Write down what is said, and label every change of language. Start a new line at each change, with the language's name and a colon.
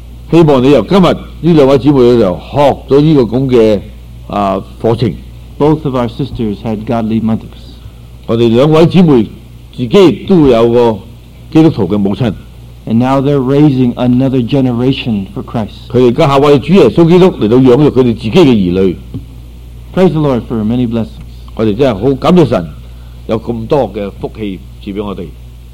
Chinese: 希望你由今日这两位姊妹学到这个课程.
English: Both of our sisters had godly mothers.
Chinese: 我们两位姊妹自己都有个基督徒的母亲.
English: And now they're raising another generation for Christ.
Chinese: 他们今天为主耶稣基督来养育他们自己的儿女.
English: Praise the Lord for many blessings.
Chinese: 我们真的很感谢神，有这么多的福气赐给我们。